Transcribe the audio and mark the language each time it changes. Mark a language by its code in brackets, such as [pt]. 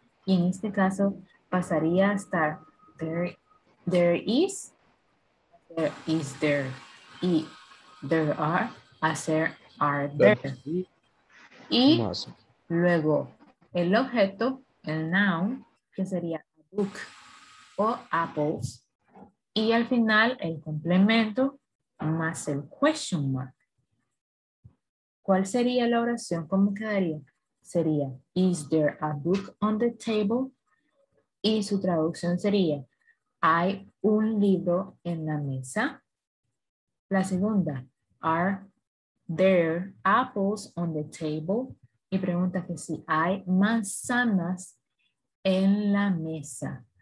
[es] Y en este caso, pasaría a estar [en] there is, there is there, [es] y [en] there are, [es] hacer [en] are there. [es] Y luego, el objeto, el noun, que sería [en] a book [es] o apples, y al final, el complemento más el question mark. ¿Cuál sería la oración? ¿Cómo quedaría? Sería, [en] is there a book on the table? [es] Y su traducción sería, ¿hay un libro en la mesa? La segunda, [en] are there apples on the table? [es] Y pregunta que si hay manzanas en la mesa.